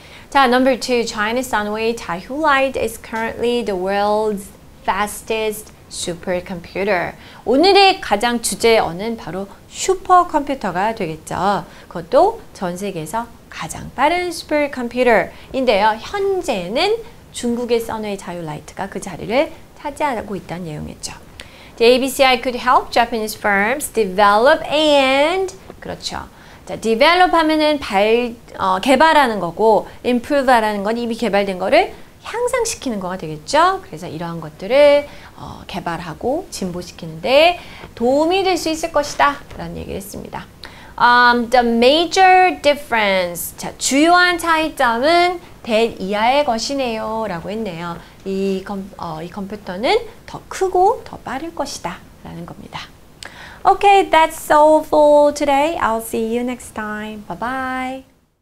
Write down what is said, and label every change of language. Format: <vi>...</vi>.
<en>자, number two, China Sunway Taihulite is currently the world's fastest supercomputer.</en> <ko>오늘의 가장 주제어는 바로 슈퍼컴퓨터가 되겠죠. 그것도 전 세계에서 가장 빠른 슈퍼컴퓨터인데요. 현재는 중국의 선웨이 자유라이트가 그 자리를 차지하고 있다는 내용이었죠.</ko> <en>The ABCI could help Japanese firms develop and</en> <ko>그렇죠. 자, develop 하면은 개발하는 거고 improve 하라는 건 이미 개발된 거를 향상시키는 거가 되겠죠. 그래서 이러한 것들을 개발하고 진보시키는데 도움이 될 수 있을 것이다 라는 얘기를 했습니다.</ko> <en>The major difference.</en> <ko>자, 주요한 차이점은 that 이하의 것이네요 라고 했네요. 이 컴퓨터는 더 크고 더 빠를 것이다 라는 겁니다.</ko> <en>Okay, that's all for today. I'll see you next time. Bye bye.</en>